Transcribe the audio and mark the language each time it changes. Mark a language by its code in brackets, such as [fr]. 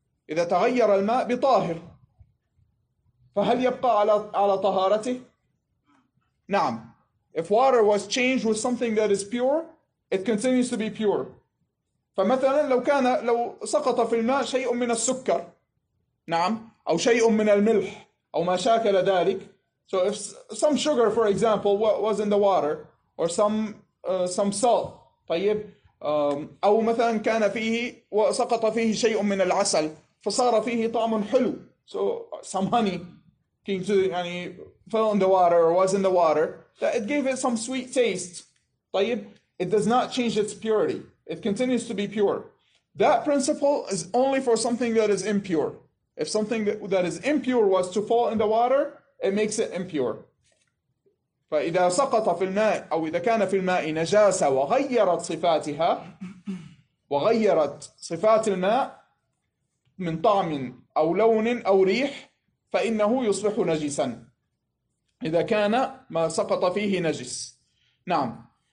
[ar] إذا تغير الماء بطاهر فهل يبقى على طهارته؟ نعم. [en] If water was changed with something that is pure, it continues to be pure. [ar] فمثلا لو سقط في الماء شيء من السكر, نعم, أو شيء من الملح أو ما شاكل ذلك. [en] So if some sugar, for example, was in the water, or some salt, طيب, [ar] أو مثلا كان فيه وسقط فيه شيء من العسل فصار فيه طعم حلو. [en] So some honey came to, يعني, fell in the water or was in the water, that it gave it some sweet taste. طيب, it does not change its purity. It continues to be pure. That principle is only for something that is impure. If something that is impure was to fall in the water, it makes it impure. [ar] فإذا سقط في الماء أو إذا كان في الماء نجاسة وغيرت صفاتها وغيرت صفات الماء من طعم أو لون أو ريح فإنه يصبح نجسا إذا كان ما سقط فيه نجس. نعم.